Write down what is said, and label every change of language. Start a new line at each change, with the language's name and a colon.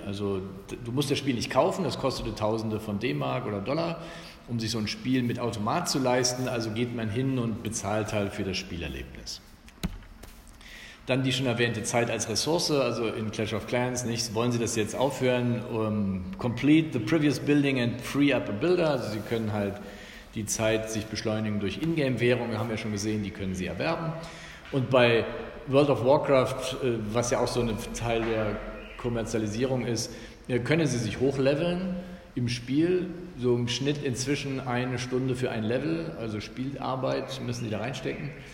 German: Also du musst das Spiel nicht kaufen, das kostete Tausende von D-Mark oder Dollar, um sich so ein Spiel mit Automat zu leisten. Also geht man hin und bezahlt halt für das Spielerlebnis. Dann die schon erwähnte Zeit als Ressource, also in Clash of Clans, nicht? Wollen Sie das jetzt aufhören?
English: Complete the previous building and free up a builder.
German: Also Sie können halt die Zeit sich beschleunigen durch Ingame-Währungen, haben wir schon gesehen, die können Sie erwerben. Und bei World of Warcraft, was ja auch so ein Teil der Kommerzialisierung ist, können Sie sich hochleveln im Spiel, so im Schnitt inzwischen 1 Stunde für ein Level, also Spielarbeit müssen Sie da reinstecken.